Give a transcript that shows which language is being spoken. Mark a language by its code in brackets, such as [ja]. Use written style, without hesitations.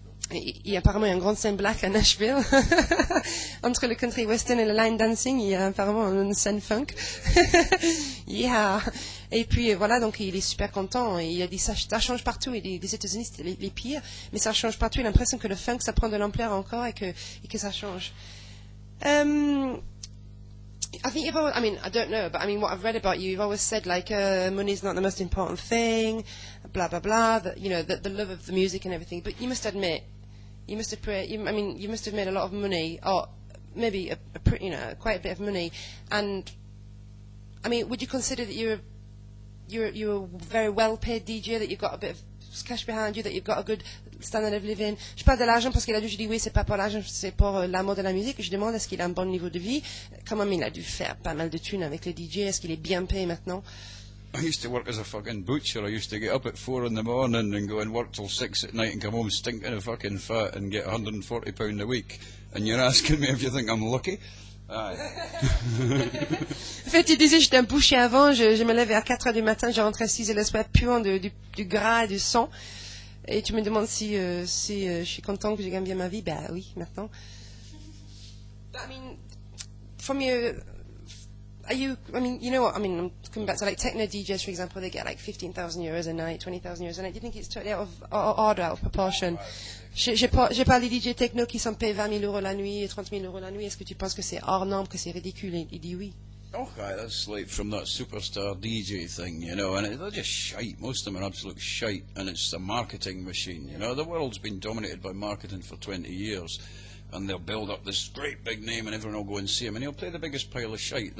[fr] Il y a apparemment un grand scène black à Nashville. Entre le country western et le line dancing, il y a apparemment une scène funk. Yeah. Et puis voilà, donc il est super content. Il a dit ça change partout. Il dit, les États-Unis, c'était les pires. Mais ça change partout. Il a l'impression que le funk, ça prend de l'ampleur encore et que ça change. [en] I think you've always, I mean, I don't know, but I mean, what I've read about you, you've always said, like, money's not the most important thing, blah, blah, blah, that, you know, that the love of the music and everything. But you must admit, you must have made a lot of money, or maybe, quite a bit of money. And, I mean, would you consider that you're a very well-paid DJ, that you've got a bit of cash behind you, that you've got a good standard of living? [fr] Je parle de l'argent parce qu'il a dit, je dis oui, c'est pas pour l'argent, c'est pour l'amour de la musique. Je demande, est-ce qu'il a un bon niveau de vie? Comment il a dû faire pas mal de thunes avec le DJ? Est-ce qu'il est bien payé maintenant? [en] I used to work as a fucking butcher. I used to get up at 4 a.m. and go and work till 6 p.m. and come home stinking of fucking fat and get £140 a week. And you're asking me if you think I'm lucky? [fr] En fait, il disait, j'étais un boucher avant, je me levais à 4h du matin, je rentrais à 6h le soir, puant du gras et du sang. Et tu me demandes si je suis content que je gagne bien ma vie. Ben oui, maintenant. [en] But I mean, from your, are you, I mean, you know what, I mean, I'm coming back to like techno DJs, for example, they get like 15,000 euros a night, 20,000 euros a night. Do you think it's totally out of order, out of proportion? [fr] Je parle des DJ techno qui sont payés 20 000 euros la nuit et 30 000 euros la nuit. Est-ce que tu penses que c'est hors norme, que c'est ridicule? Il dit oui. [en] Okay, that's like from that superstar DJ thing, you know, and they're just shite. Most of them are absolute shite, and it's a marketing machine, you know. The world's been dominated by marketing for 20 years, and they'll build up this great big name, and everyone will go and see him, and he'll play the biggest pile of shite.